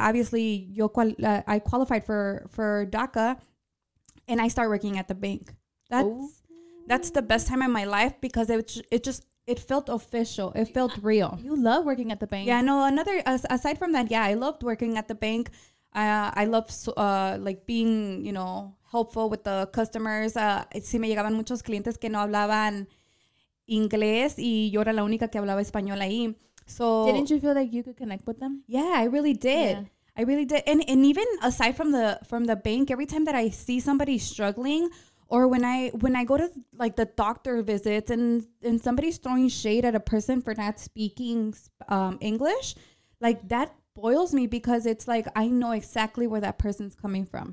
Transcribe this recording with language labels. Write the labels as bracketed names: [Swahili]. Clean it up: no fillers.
[English] Obviously, I qualified for DACA, and I start working at the bank. That's the best time of my life, because it felt official. It felt real. You love working at the bank. Yeah, no, aside from that, yeah, I loved working at the bank. I love being, you know, helpful with the customers. [Spanish] Si me llegaban muchos clientes que no hablaban inglés y yo era la única que hablaba español ahí. [English] So didn't you feel like you could connect with them? Yeah, I really did. Yeah. I really did. And even aside from the bank, every time that I see somebody struggling, or when I go to like the doctor visits and somebody's throwing shade at a person for not speaking English, like that boils me, because it's like I know exactly where that person's coming from.